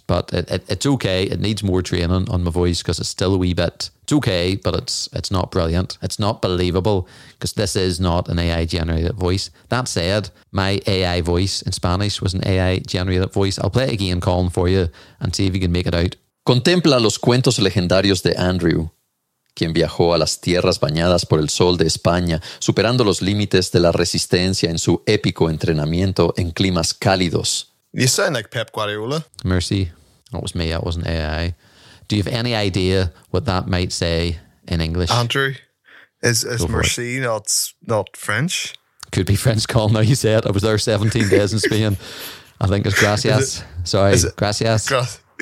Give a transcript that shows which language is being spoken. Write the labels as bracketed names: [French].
[English] But it's okay. It needs more training on my voice because it's still a wee bit. It's okay, but it's not brilliant. It's not believable because this is not an AI generated voice. That said, my AI voice in Spanish was an AI generated voice. I'll play it again, Colin, for you and see if you can make it out. [Spanish] Contempla los cuentos legendarios de Andrew, quien viajó a las tierras bañadas por el sol de España, superando los límites de la resistencia en su épico entrenamiento en climas cálidos. [English] You sound like Pep Guardiola. Mercy. That was me, that wasn't AI. Do you have any idea what that might say in English? Andrew, is Mercy not French? Could be French, Colin, now you say it. I was there 17 days in Spain. I think it's gracias. Gracias.